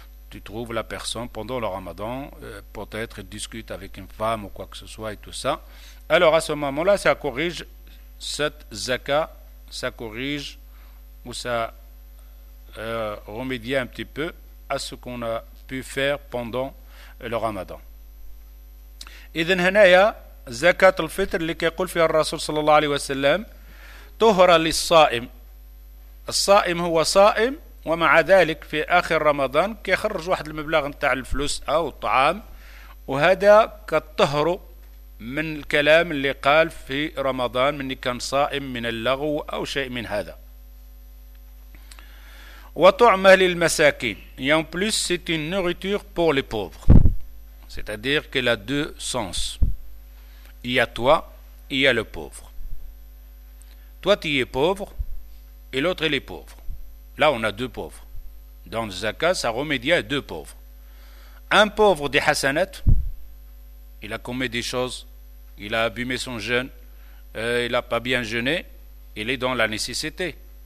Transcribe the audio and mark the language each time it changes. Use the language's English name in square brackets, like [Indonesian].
[French] Tu trouves la personne pendant le ramadan, peut-être discute avec une femme ou quoi que ce soit et tout ça. Alors à ce moment-là, ça corrige cette zaka, ça corrige ou ça remédie un petit peu à ce qu'on a pu faire pendant le ramadan. [Arabic] إذن هنايا زكاة الفطر اللي كيقول فيها الرسول صلى الله عليه وسلم طهرة للصائم. الصائم هو صائم ومع ذلك في آخر رمضان كيخرج واحد المبلغ نتاع الفلوس أو الطعام، وهذا كطهر من الكلام اللي قال في رمضان مني كان صائم من اللغو أو شيء من هذا. وطعمة للمساكين [French] يوم بلس ستين نوريتور بور لي بوفر. C'est-à-dire qu'elle a deux sens. Il y a toi, il y a le pauvre. Toi, tu es pauvre, et l'autre, il est pauvre. Là, on a deux pauvres. Dans le zakat, ça remédie à deux pauvres. Un pauvre des hassanats, il a commis des choses, il a abîmé son jeûne, il n'a pas bien jeûné, il est dans la nécessité.